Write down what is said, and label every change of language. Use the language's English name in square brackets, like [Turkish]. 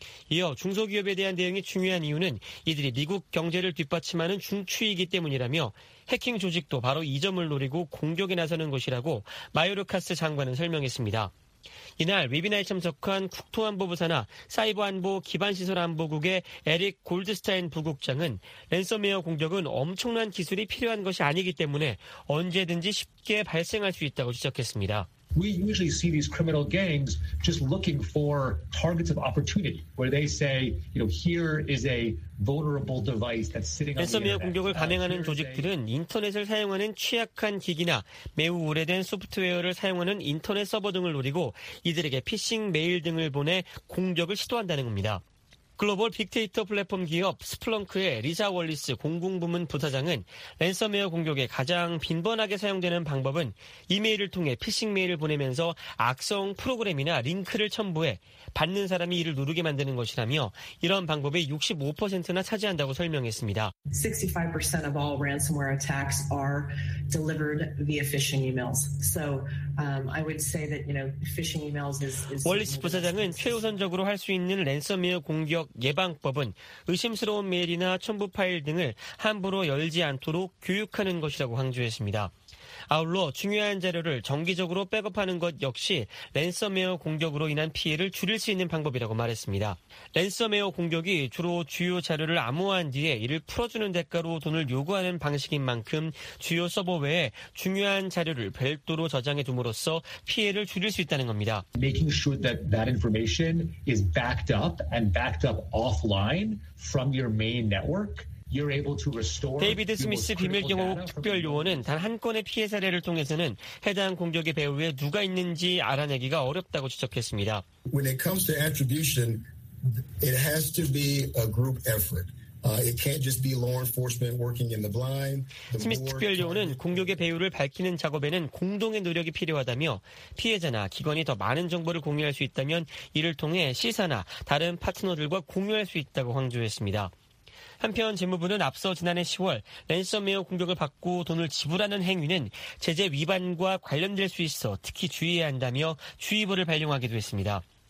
[Korean] 이어 중소기업에 대한 대응이 중요한 이유는 이들이 미국 경제를 뒷받침하는 중추이기 때문이라며 해킹 조직도 바로 이 점을 노리고 공격에 나서는 것이라고 마요르카스 장관은 설명했습니다. 이날 웨비나에 참석한 국토안보부사나 사이버안보 기반시설안보국의 에릭 골드스타인 부국장은 랜섬웨어 공격은 엄청난 기술이 필요한 것이 아니기 때문에 언제든지 쉽게 발생할 수 있다고 지적했습니다. [English] We usually see these criminal gangs just looking for targets of opportunity where they say, you know, here is a vulnerable device that's sitting on the internet. [Korean] 랜섬웨어 공격을 감행하는 조직들은 인터넷을 사용하는 취약한 기기나 매우 오래된 소프트웨어를 사용하는 인터넷 서버 등을 노리고 이들에게 피싱 메일 등을 보내 공격을 시도한다는 겁니다. 글로벌 빅데이터 플랫폼 기업 스플렁크의 리자 월리스 공공부문 부사장은 랜섬웨어 공격에 가장 빈번하게 사용되는 방법은 이메일을 통해 피싱 메일을 보내면서 악성 프로그램이나 링크를 첨부해 받는 사람이 이를 누르게 만드는 것이라며 이런 방법의 65%나 차지한다고 설명했습니다. [English] 65% of all ransomware attacks are delivered via phishing emails. So I would say that you know phishing emails is [Korean] 월리스 부사장은 최우선적으로 할 수 있는 랜섬웨어 공격 예방법은 의심스러운 메일이나 첨부 파일 등을 함부로 열지 않도록 교육하는 것이라고 강조했습니다. 아울러 중요한 자료를 정기적으로 백업하는 것 역시 랜섬웨어 공격으로 인한 피해를 줄일 수 있는 방법이라고 말했습니다. 랜섬웨어 공격이 주로 주요 자료를 암호화한 뒤에 이를 풀어주는 대가로 돈을 요구하는 방식인 만큼 주요 서버 외에 중요한 자료를 별도로 저장해 둠으로써 피해를 줄일 수 있다는 겁니다. [English] Making sure that that information is backed up offline from your main network. [Korean] 데이비드 스미스 비밀경호국 특별요원은 단 한 건의 피해 사례를 통해서는 해당 공격의 배후에 누가 있는지 알아내기가 어렵다고 지적했습니다. [English] When it comes to attribution, it has to be a group effort. It can't just be law enforcement working in the blind. [Korean] 스미스 특별요원은 공격의 배후를 밝히는 작업에는 공동의 노력이 필요하다며 피해자나 기관이 더 많은 정보를 공유할 수 있다면 이를 통해 시사나 다른 파트너들과 공유할 수 있다고 강조했습니다. 한편 재무부는 앞서 지난해 10월 랜섬웨어 공격을 받고 돈을 지불하는 행위는 제재 위반과 관련될 수 있어 특히 주의해야 한다며 주의보를 발령하기도 했습니다.